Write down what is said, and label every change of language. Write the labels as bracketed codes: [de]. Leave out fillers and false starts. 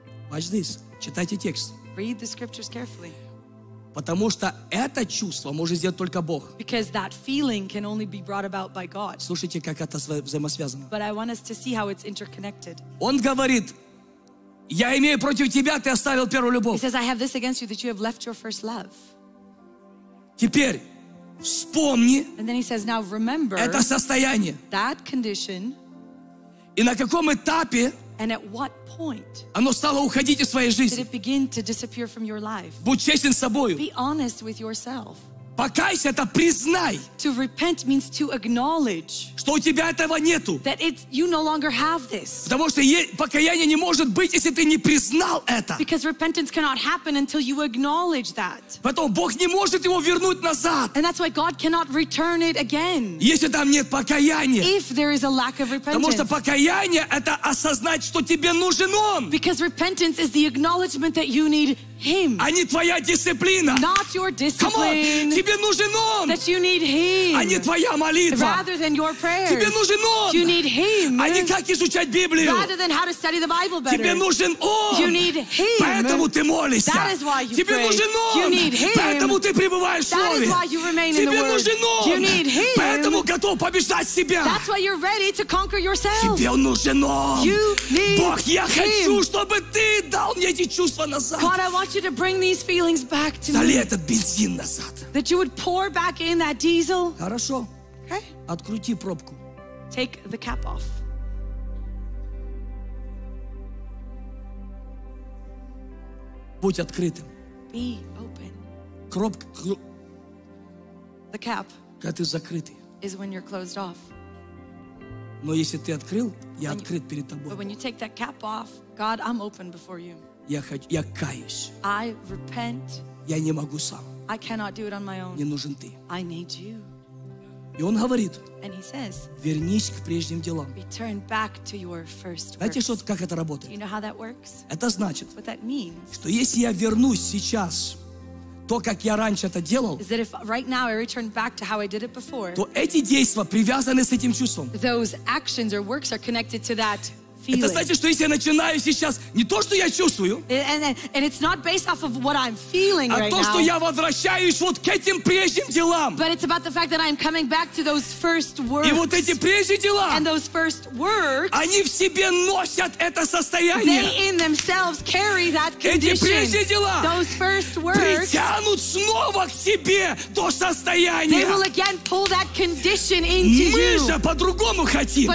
[en] Watch this. [ru] Читайте текст. [en] Read the scriptures carefully. [ru] Потому что это чувство может сделать только Бог. [en] Because that feeling can only be brought about by God. [ru] Слушайте, как это взаимосвязано. [en] But I want us to see how it's interconnected. [ru] Он говорит, я имею против тебя, ты оставил первую любовь. [en] He says, I have this against you, that you have left your first love. [ru] Теперь вспомни. [en] And then he says, now remember. [ru] Это состояние. [en] That condition. [ru] И на каком этапе. [en] And at what point [ru] оно стало уходить из своей жизни? [en] Did it begin to disappear from your life? [ru] Будь честен с собой. [en] Be honest with yourself. [ru] Покайся, это признай. [en] To repent means to acknowledge. [ru] Что у тебя этого нету. [en] That it's, you no longer have this. [ru] Потому что покаяние не может быть, если ты не признал это. [en] Because repentance cannot happen until you acknowledge that. [ru] Потом Бог не может его вернуть назад. [en] And that's why God cannot return it again. [ru] Если там нет покаяния. [en] If there is a lack of repentance. [ru] Потому что покаяние это осознать, что тебе нужен он. [en] Because repentance is the acknowledgement that you need Him. [ru] А не твоя дисциплина. [en] Not your discipline. Come on. [ru] Тебе нужен он. [en] That you need him. [ru] А не твоя молитва. [en] Rather than your prayers. [ru] Тебе нужен он. [en] You need him. [ru] А не как изучать Библию. [en] Rather than how to study the Bible better. [ru] Тебе нужен он. [en] You need him. [ru] Поэтому ты молишься. [en] That is why you [ru] Тебе [en] pray. [ru] Нужен он. [en] You need him. [ru] Поэтому ты пребываешь в [en] That [ru] слове. [en] Is why you remain [ru] Тебе [en] in the word. [ru] Нужен он. [en] You need him. [ru] Поэтому готов побеждать себя. [en] That's why you're ready to conquer yourself. [ru] Тебе нужен он. [en] You need [ru] Бог, я [en] him. [ru] Хочу, чтобы ты дал мне эти чувства назад. [en] God, I want you to bring these feelings back to [ru] Залей [en] me. [ru] Этот бензин назад. [en] That you would pour back in that diesel. [ru] Хорошо. [en] Okay. [ru] Открути пробку. [en] Take the cap off. [ru] Будь открытым. [en] Be open. [ru] Кропка. [en] The cap. [ru] Когда ты закрытый. [en] Is when you're closed off. [ru] Но если ты открыл, я открыт перед тобой. [en] But when you take that cap off, God, I'm open before you. [ru] Я каюсь. [en] I repent. [ru] Я не могу сам. [en] I cannot do it on my own. [ru] Мне нужен ты. [en] I need you. [ru] И он говорит. [en] And he says. [ru] Вернись к прежним делам. [en] Return back to your first [ru] works. Знаете, что, как это работает? [en] Do you know how that works? [ru] Это значит, [en] what that means, [ru] что если я вернусь сейчас, то, как я раньше это делал, [en] is that if right now I return back to how I did it before, [ru] то эти действия привязаны с этим чувством. [en] Those actions or works are connected to that. [ru] Это значит, что если я начинаю сейчас не то, что я чувствую, [en] and it's not based off of what I'm feeling [ru] а [en] right [ru] то, [en] now, [ru] что я возвращаюсь вот к этим прежним делам. [en] But it's about the fact that I'm coming back to those first works. [ru] И вот эти прежние дела, [en] and those first works, [ru] они в себе носят это состояние. [en] They in themselves carry that condition. [ru] Эти прежние дела, [en] those first works, [ru] притянут снова к себе то состояние. [en] They will again pull that condition into [ru] Мы [en] you. [ru] Же по-другому хотим.